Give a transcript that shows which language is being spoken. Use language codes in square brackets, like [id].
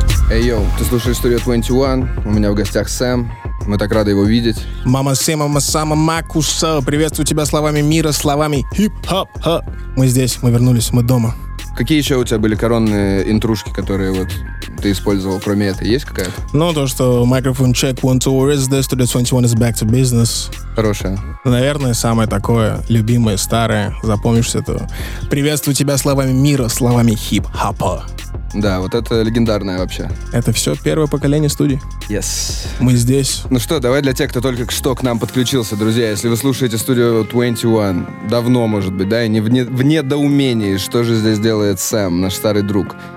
[ru] Эй, йоу, ты слушаешь Studio 21. У меня в гостях Сэм. Мы так рады его видеть. Мама Сэма, мама Сама Макуса. Приветствую тебя словами мира, словами хип-хоп. Мы здесь, мы вернулись, мы дома. Какие еще у тебя были коронные интрушки, которые вот ты использовал, кроме этой? Есть какая-то? Ну, то, что [en] microphone check, 1-2, where is this? Studio 21 is back to business. [ru] Хорошая. Наверное, самое такое, любимое, старое, запомнишься это. Приветствую тебя словами мира, словами хип-хопа. Да, вот это легендарное вообще. Это все первое поколение студий. [en] Yes. [ru] Мы здесь. Ну что, давай для тех, кто только что к нам подключился, друзья, если вы слушаете Studio 21, давно, может быть, да, и в недоумении, что же здесь делает Сэм, наш старый друг.